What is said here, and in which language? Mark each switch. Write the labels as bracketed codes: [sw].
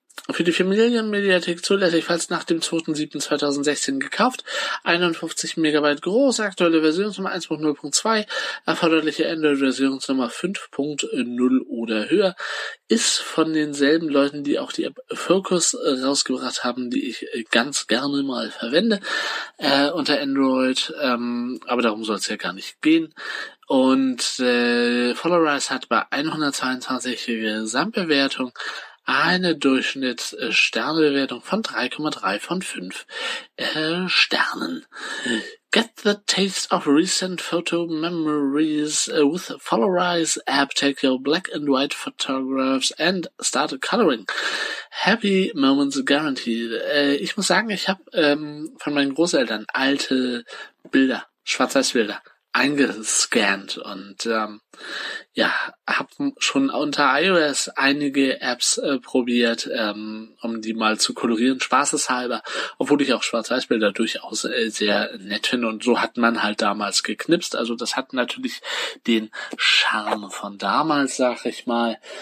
[de] Für die 4-Millionen-Mediathek zulässig, falls nach dem 2.7.2016 gekauft, 51 MB groß, aktuelle Versionsnummer 1.0.2, erforderliche Android-Versionsnummer 5.0 oder höher, ist von denselben Leuten, die auch die App Focus rausgebracht haben, die ich ganz gerne mal verwende, unter Android, aber darum soll es ja gar nicht gehen. Und Followerize hat bei 122 Gesamtbewertung eine Durchschnitts-Sternebewertung von 3,3 von 5 Sternen. [en] Get the taste of recent photo memories with Followerize app. Take your black and white photographs and start coloring. Happy moments guaranteed. [de] Ich muss sagen, ich habe von meinen Großeltern alte Bilder, Schwarz-Weiß-Bilder, eingescannt und habe schon unter iOS einige Apps probiert, um die mal zu kolorieren, spaßeshalber, obwohl ich auch Schwarz-Weiß-Bilder durchaus sehr nett finde, und so hat man halt damals geknipst, also das hat natürlich den Charme von damals, sag ich mal.